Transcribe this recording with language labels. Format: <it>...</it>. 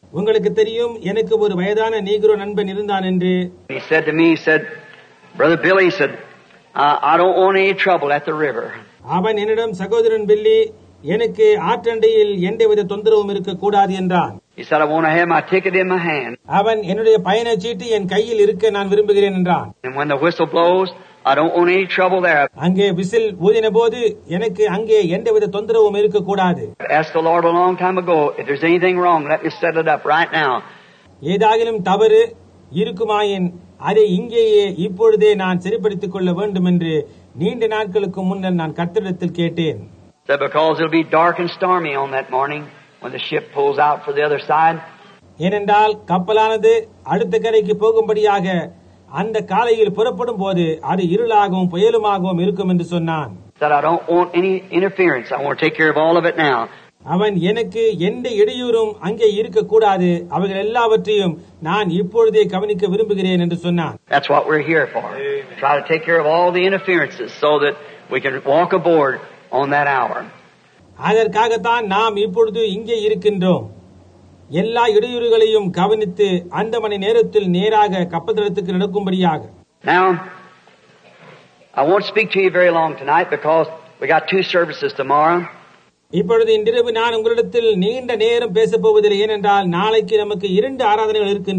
<ta>உங்களுக்கு தெரியும், எனக்கு ஒரு வயதான நீகரோ நண்பன் இருந்தான் என்று.</ta> <en>He said to me, he said, Brother Billy, he said, I don't want any trouble at the river.</en> <ta>அவன் என்னிடம், சகோதரன் பில்லி, எனக்கு ஆற்றண்டையில் எந்தவித தொந்தரவும் இருக்கக்கூடாது என்றான்.</ta> <en>He said, I want to have my ticket in my hand.</en> <ta>அவன் என்னுடைய பயண சீட்டு என் கையில் இருக்க நான் விரும்புகிறேன் என்றான்.</ta> <en>And when the whistle blows, I don't want any trouble there.</en> <ta>அங்கே விசில் ஊதின போது எனக்கு அங்கே எந்தவித தொந்தரவும் இருக்க கூடாது.</ta> <en>I asked the Lord a long time ago, if there's anything wrong, let me set it up right now.</en> <ta>ஏதாகிலும் தவறு இருக்குமாயின் அதை இங்கேயே இப்பொழுதே நான் சரிபடுத்திக் கொள்ள வேண்டும் என்று நீண்ட நாட்களுக்கு முன்னர் நான் கர்த்தரிடத்தில் கேட்டேன்.</ta> <en>So because it'll be dark and stormy on that morning when the ship pulls out for the other side.</en> <ta>ஏனென்றால் கப்பலானது அடுத்த கரைக்கு போகும்படியாக அந்த காலையில் புறப்படும் போது அது இருளாகவும் புயலுமாகவும் இருக்கும் என்று சொன்னான்.</ta> <en>That I don't want any interference. I want to take care of all of it now.</en> <ta>அவன் எனக்கு எந்த இடையூறும் அங்கே இருக்க கூடாது, அவர்கள் எல்லாவற்றையும் நான் இப்பொழுதே கவனிக்க விரும்புகிறேன் என்று சொன்னான்.</ta> <en>That's what we're here for. Try to take care of all the interferences so that we can walk aboard on that hour.</en> <ta>அதற்காகத்தான் நாம் இப்பொழுது இங்கே இருக்கின்றோம். எல்லா இடையூறுகளையும் கவனித்து அந்த மணி நேரத்தில் நேராக கப்பத்தளத்துக்கு நடக்கும்படியாக.</ta> <en>Now, I won't speak to you very long tonight because we got two services tomorrow.</en> <ta>இப்பொழுது இன்றிரவு நான் உங்களிடத்தில் நீண்ட நேரம் பேச போவதில்லை. ஏனென்றால் நாளைக்கு நமக்கு இரண்டு ஆராதனைகள்</ta>